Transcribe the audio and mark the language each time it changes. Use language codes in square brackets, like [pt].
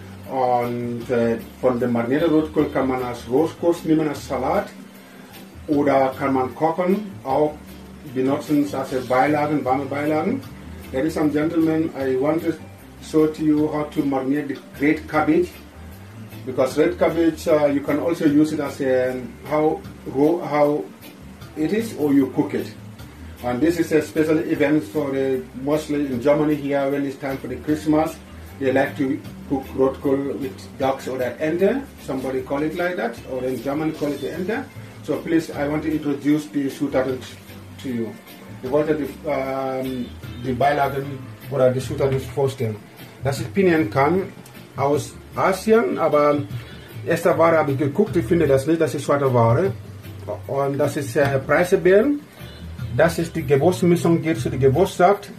[de] Und von dem marinierten Rotkohl kann man als Rotkohl nehmen, als Salat. Oder kann man kochen, auch benutzen als Beilagen, warme Beilagen. [en] Ladies and gentlemen, I want to show to you how to marinate the great cabbage. Because red cabbage, you can also use it as a, how raw, how it is, or you cook it. And this is a special event for mostly in Germany here when it's time for the Christmas. They like to cook rotkohl with ducks or that ente. Somebody call it like that, or in German call it the ente. So please, I want to introduce the Zutaten to you. The water, the Beilagen, what are the Zutaten first then? [de] Das ist Pinienkern aus Asien, aber erste Ware habe ich geguckt, ich finde das nicht, das ist zweite Ware. Und das ist Preisebeeren. Das ist die Gewürzmischung, geht zu der Gewürzsaft.